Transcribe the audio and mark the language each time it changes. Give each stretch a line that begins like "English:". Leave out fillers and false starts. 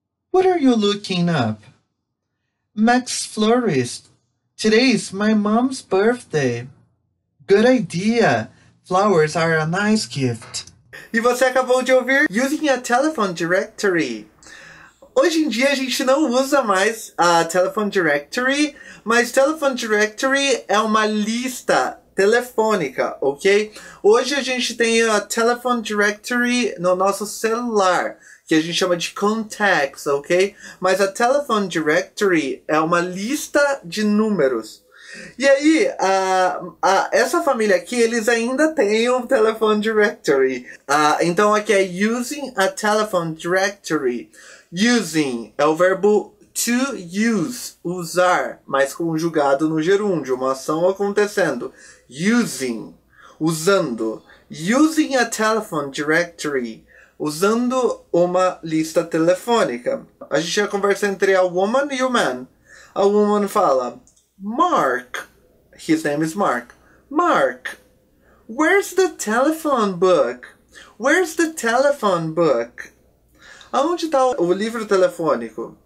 English: What are you looking up? Max Florist, today's my mom's birthday. Good idea. Flowers are a nice gift.
Portuguese: E você acabou de ouvir?
English: Using a telephone directory.
Portuguese: Hoje em dia a gente não usa mais a telephone directory, mas telephone directory é uma lista telefônica, ok? Hoje a gente tem a telephone directory no nosso celular, que a gente chama de contacts, ok? Mas a telephone directory é uma lista de números. E aí, essa família aqui, eles ainda têm um telephone directory. Então aqui é
English: using a telephone directory.
Portuguese: Using é o verbo to use, usar, mas conjugado no gerúndio, uma ação acontecendo. Using, usando.
English: Using a telephone directory,
Portuguese: usando uma lista telefônica. A gente já conversa entre a woman e o man.
English: A woman fala, Mark, his name is Mark. Mark, where's the telephone book? Where's the telephone book?
Portuguese: Aonde está o livro telefônico?